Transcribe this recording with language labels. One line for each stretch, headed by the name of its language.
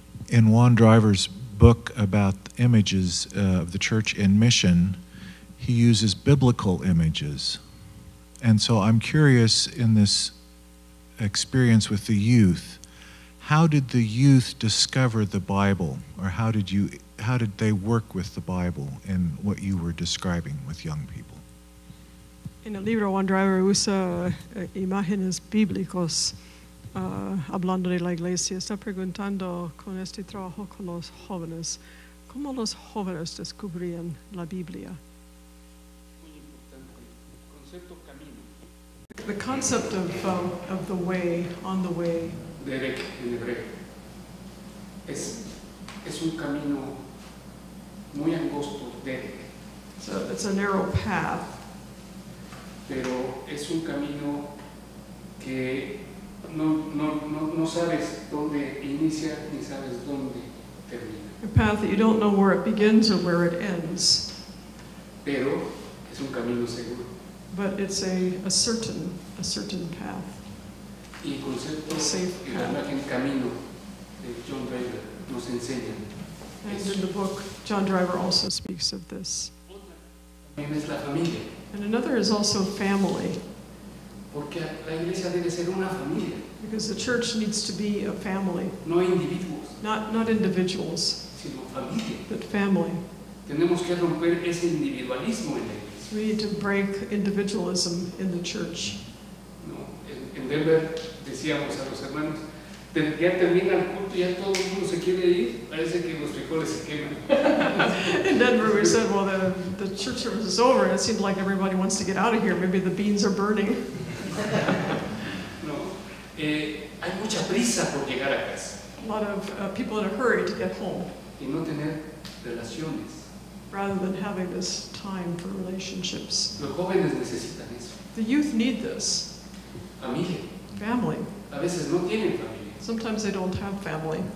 English: In Juan Driver's book about images of the church in mission, he uses biblical images. And so I'm curious, in this experience with the youth, how did the youth discover the Bible, or how did they work with the Bible in what you were describing with young people?
Spanish: In el libro, Juan Driver usa imágenes bíblicas. Hablando de la iglesia, está preguntando con este trabajo con los jóvenes, ¿cómo los jóvenes descubrían la Biblia? Muy importante. Concepto camino.
English: The concept of the way, on the way.
Spanish: Derek, en hebreo. Es un camino muy angosto, Derek.
English: So it's a narrow path.
Spanish: Pero es un camino que... No sabes dónde inicia ni sabes dónde termina.
English: a path that you don't know where it begins or where it ends.
Spanish: Pero es un camino seguro.
English: But it's a certain path.
Spanish: Y el concepto,
English: a safe path.
Spanish: Y la imagen camino de John Driver nos enseña.
English: And in the book, John Driver also speaks of this.
Spanish: También es la familia.
English: And another is also family.
Spanish: Porque la iglesia debe ser una familia.
English: Because the church needs to be a family.
Spanish: No individuos.
English: Not individuals.
Spanish: Sino familia.
English: But family.
Spanish: Tenemos que romper ese individualismo en la iglesia.
English: We need to break individualism in the church.
Spanish: No. En Denver decíamos a los hermanos, ya termina el culto, ya todo el mundo se quiere ir, parece que los frijoles se queman.
English: In Denver we said, well, the church service is over, and it seems like everybody wants to get out of here, maybe the beans are burning.
Spanish: No, hay mucha prisa por llegar a casa.
English: A lot of people in a hurry to get home.
Spanish: Y no tener relaciones.
English: Rather than having this time for relationships.
Spanish: Los jóvenes necesitan eso.
English: The youth need this.
Spanish: Familia.
English: Family.
Spanish: A veces no tienen familia.
English: Sometimes they don't have family.